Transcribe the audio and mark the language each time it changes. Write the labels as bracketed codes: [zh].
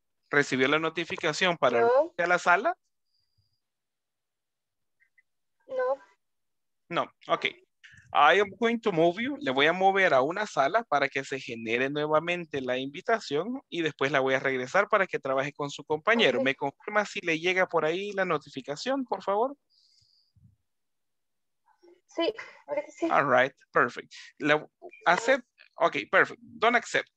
[es] ¿Recibió la notificación para irte a la sala? No. [en] No, okay. I am going to move you. [es] Le voy a mover a una sala para que se genere nuevamente la invitación y después la voy a regresar para que trabaje con su compañero. Okay. ¿Me confirma si le llega por ahí la notificación, por favor? Sí, sí. [en] All right, perfect. Accept, okay, perfect. Don't accept.